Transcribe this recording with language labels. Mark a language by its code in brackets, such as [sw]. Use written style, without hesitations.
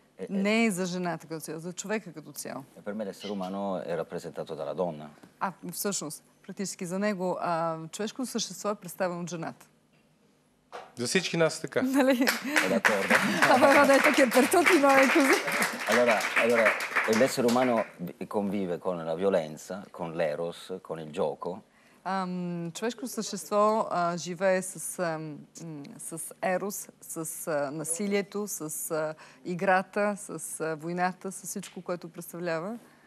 [bg] Не е за жената като цяло, за човека като цяло. [it] Per me l'essere umano è rappresentato dalla donna. [bg] А, всъщност, практически за него, човешкото същество е представено от жената. За всички нас така. Нали? [it] D'accordo. Ma va che per tutti noi è così. Allora, l'essere umano convive con la violenza, con l'eros, con il gioco. [bg] Човешкото същество живее с ерос, с насилието, с играта, с войната, с всичко, което представлява.